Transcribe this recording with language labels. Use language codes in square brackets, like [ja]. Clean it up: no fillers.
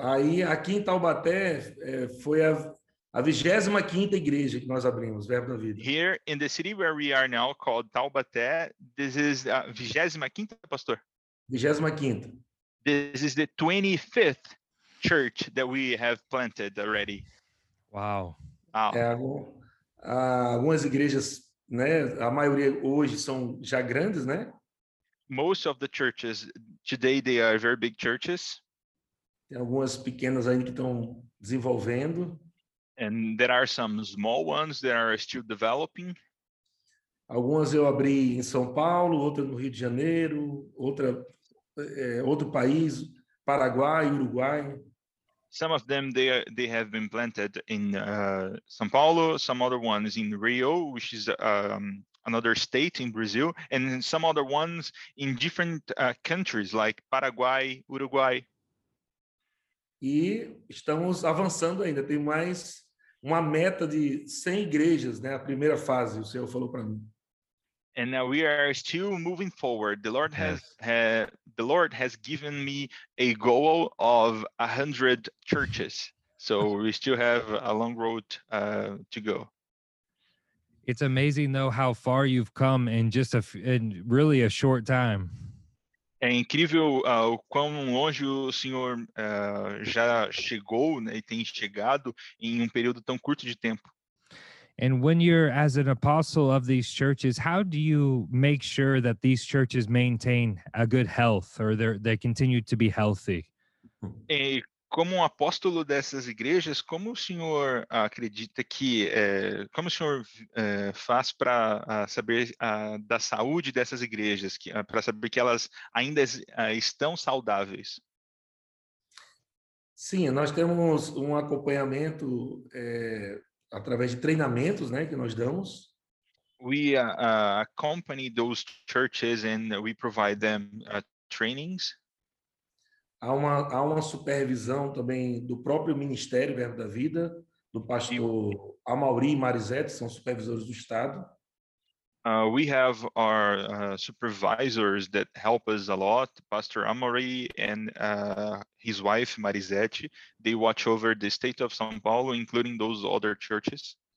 [pt] Aí aqui em Taubaté foi a 25ª igreja que nós abrimos, Verbo da Vida. [en] Here in the city where we are now called Taubaté, this is a 25ª, pastor. [pt] 25ª. [en] This is the 25th church that we have planted already. Wow. [pt] Algumas igrejas, né? A maioria hoje são já grandes, né? [en] Most of the churches today they are very big churches. [pt] Tem algumas pequenas ainda que estão desenvolvendo. [en] And there are some small ones that are still developing. [pt] Algumas eu abri em São Paulo, outra no Rio de Janeiro, outra outro país, Paraguai, Uruguai. [en] Some of them they have been planted in São Paulo, some other ones in Rio, which is another state in Brazil, and some other ones in different countries like Paraguay, Uruguay. [pt] E estamos avançando ainda, tem mais uma meta de 100 igrejas, né? A primeira fase, o Senhor falou para mim. [en] And now we are still moving forward. The Lord has given me a goal of 100 churches. So we still have a long road to go. It's amazing though how far you've come in just in really a short time. [pt] É incrível o quão longe o Senhor já chegou, né, e tem chegado em um período tão curto de tempo. [en] And when you're as an apostle of these churches, how do you make sure that these churches maintain a good health or they continue to be healthy? [pt] E como um apóstolo dessas igrejas, como o senhor acredita que como o senhor faz para saber da saúde dessas igrejas, para saber que elas ainda estão saudáveis? Sim, nós temos um acompanhamento através de treinamentos, né, que nós damos. [en] We accompany those churches and we provide them trainings. [pt] Há uma supervisão também do próprio Ministério Verbo da Vida, do pastor Amauri e Marisette, são supervisores do estado. [en] We have our supervisors that help us a lot, Pastor Amauri and his wife Marisette. They watch over the state of São Paulo, including those other churches.